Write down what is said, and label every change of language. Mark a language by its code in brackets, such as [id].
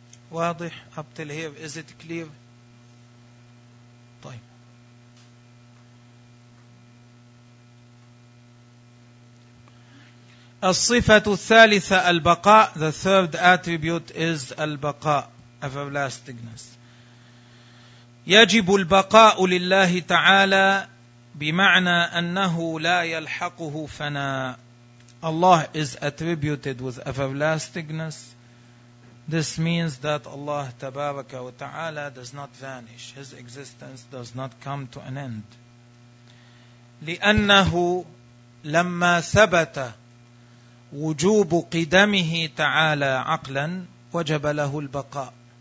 [ar] واضح [en] up till here, is it clear? [ar] طيب. الصفة الثالثة البقاء. [en] The third attribute is البقاء, everlastingness. [ar] يجب البقاء لله تعالى بمعنى أنه لا يلحقه فناء. [en] Allah is attributed with everlastingness. This means that Allah Tabaraka wa Ta'ala does not vanish. His existence does not come to an end. [ar] لِأَنَّهُ لَمَّا ثَبَتَ وُجُوبُ قِدَمِهِ تَعَالَى عَقْلًا وَجَبَ لَهُ الْبَقَاءُ.